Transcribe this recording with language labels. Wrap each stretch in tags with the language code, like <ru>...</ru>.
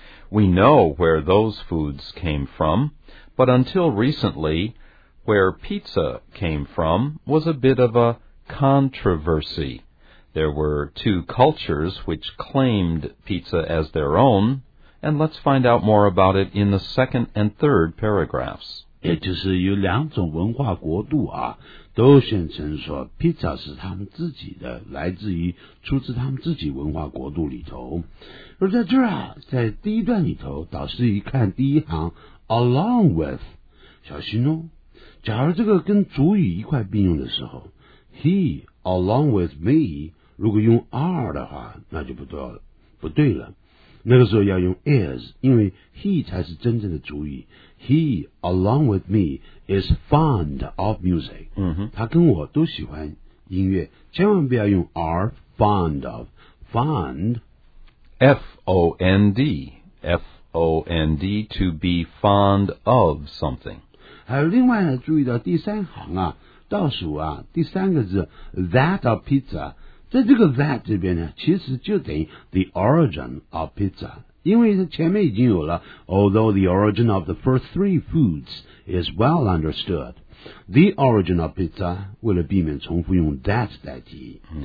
<en>We know where those foods came from, but until recently, where pizza came from was a bit of a controversy. There were two cultures which claimed pizza as their own, and let's find out more about it in the second and third paragraphs.</en> <zh>也就是有两种文化国度啊，都宣称说 pizza 是他们自己的，来自于出自他们自己文化国度里头。而在这儿啊，在第一段里头，导师一看第一行 along with， 小心哦，假如这个跟主语一块并用的时候 ，he。</zh> <en>Along with me,</en> <zh>如果用 are 的话那就不对了。那个时候要用 is, 因为 he 才是真正的主语。</zh> <en>He, along with me, is fond of music.、</en> <zh>他跟我都喜欢音乐。千万不要用</zh> <en>are fond of. Fond. F-O-N-D. F-O-N-D, to be fond of something.</en> <zh>还有另外呢注意到第三行啊。倒数啊第三个字</zh> <en>that of pizza</en> <zh>在这个 that 这边呢其实就等于 the origin of pizza 因为前面已经有了</zh> <en>although the origin of the first three foods is well understood the origin of pizza</en> <zh>为了避免重复用 that 代替、</zh>